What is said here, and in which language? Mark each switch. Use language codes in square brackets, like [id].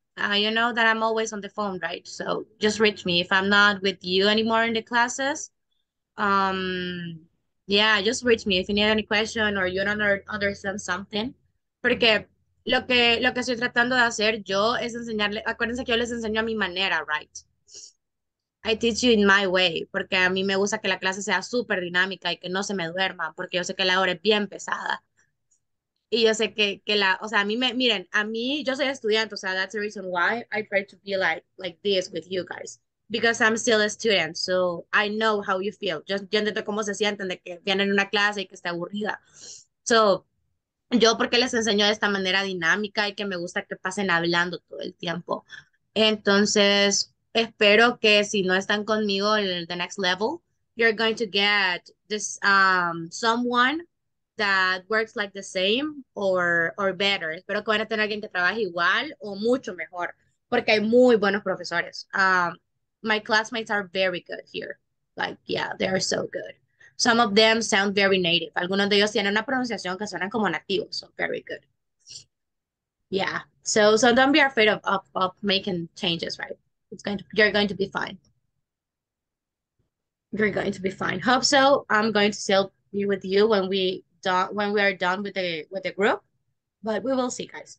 [en] You know that I'm always on the phone, right? So just reach me. If I'm not with you anymore in the classes, yeah, just reach me if you need any question or you don't understand something. [es] Porque lo que estoy tratando de hacer yo es enseñarle, acuérdense que yo les enseño a mi manera, right? [en] I teach you in my way, [es] porque a mí me gusta que la clase sea súper dinámica y que no se me duerma, porque yo sé que la hora es bien pesada. Y yo sé que la, o sea, [en] a mí me, miren, a mí, yo soy estudiante, o sea, that's the reason why I try to be like this with you guys, because I'm still a student, so I know how you feel. [es] Yo entiendo cómo se sienten de que vienen a una clase y que está aburrida. So, yo porque les enseño de esta manera dinámica y que me gusta que pasen hablando todo el tiempo. Entonces, espero que si no están conmigo en [en] the next level, you're going to get this someone that works like the same or better. [es] Espero que van a tener alguien que trabaje igual o mucho mejor, porque hay muy buenos profesores. [en] My classmates are very good here. Like, yeah, they are so good. Some of them sound very native. [es] Algunos de ellos tienen una pronunciación que suenan como nativos. [en] So very good. Yeah. So don't be afraid of making changes, right? You're going to be fine. You're going to be fine. Hope so. I'm going to still be with you when we are done with the group, but we will see, guys.